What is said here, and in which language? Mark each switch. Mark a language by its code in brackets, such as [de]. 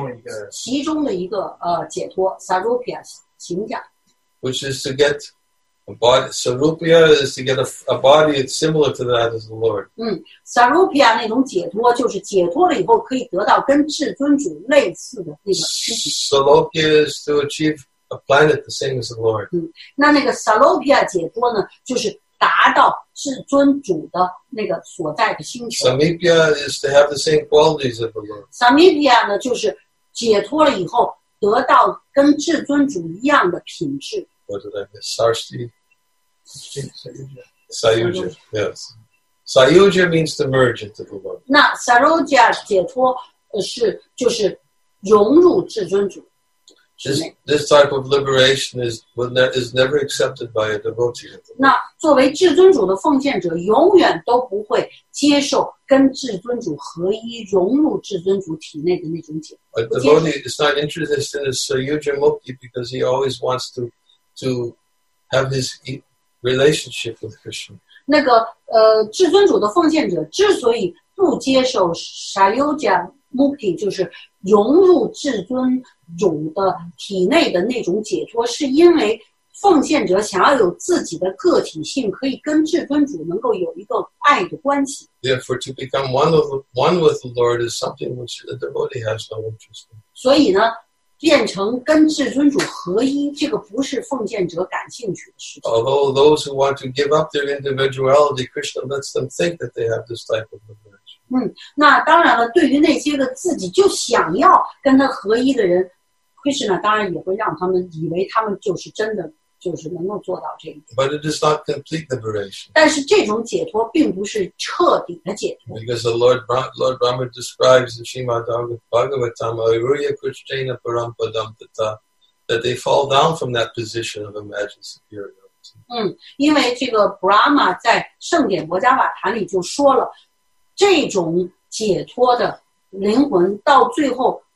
[zh] 是其中的一个解脱 Sarupya 行假 [en] which is to get a body Sarupya is to get a body similar to that of the Lord. [zh] 嗯 ，Sarupya 那种解脱就是解脱了以后可以得到跟至尊主类似的那个身体。 [en] Salokya is to achieve a planet the same as the Lord. [zh] 嗯，那个 Sarupya 解脱呢，就是达到至尊主的那个所在的星球。 [en] Samipya is to have the same qualities of the Lord. [zh] Samipya 呢，就是解脱了以后得到跟至尊主一样的品质。 [en] What did I miss? Sarshti? Sayujya. Yes. Sayujya means to merge into the Lord. [zh] 那 Sarujya 解脱是就是融入至尊主。 [en] This type of liberation is never accepted by a devotee. [zh] 那作为至尊主的奉献者永远都不会接受跟至尊主合一融入至尊主体内的那种解脱。 [en] A devotee is not interested in a Sayujya Mukti because he always wants to have his relationship with Krishna. [zh] 那个至尊主的奉献者之所以不接受 Sayujya Mukti 就是融入至尊主的体内的那种解脱，是因为奉献者想要有自己的个体性，可以跟至尊主能够有一个爱的关系。 [en] Therefore, to become one with the Lord is something which the devotee has no interest in. [zh] 所以呢？变成跟至尊主合一，这个不是奉献者感兴趣的事情。 [en] Although those who want to give up their individuality, Krishna lets them think that they have this type of liberation. [zh] 嗯，那当然了，对于那些个自己就想要跟他合一的人， Krishna 当然也会让他们以为他们就是真的 [en] But it does not complete liberation. [zh] 但是这种解脱并不是彻底的解脱。 [en] Because the Lord Brahma describes in Srimad Bhagavatam, Aruya Krishna Parampadampata, that they fall down from that position of imagined superiority. [zh] 因为这个Brahma在圣典国家瓦塔里就说了，这种解脱的灵魂到最后。